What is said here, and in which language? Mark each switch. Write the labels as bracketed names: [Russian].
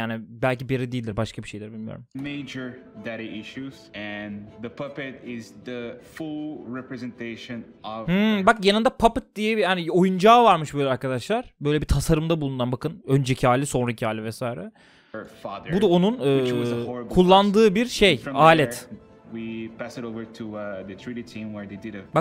[Turkish] Yani belki Berry değildir, başka bir şeydir, bilmiyorum. [English] Major daddy issues and the puppet is the full representation of. [Turkish] Hmm, bak yanında puppet diye bir yani oyuncağı varmış böyle arkadaşlar. Böyle bir tasarımda bulunan, bakın önceki hali, sonraki hali vesaire. [English] Her father, [Turkish] bu da onun kullandığı bir şey, alet. [English] We pass it over to the 3D team where they did a.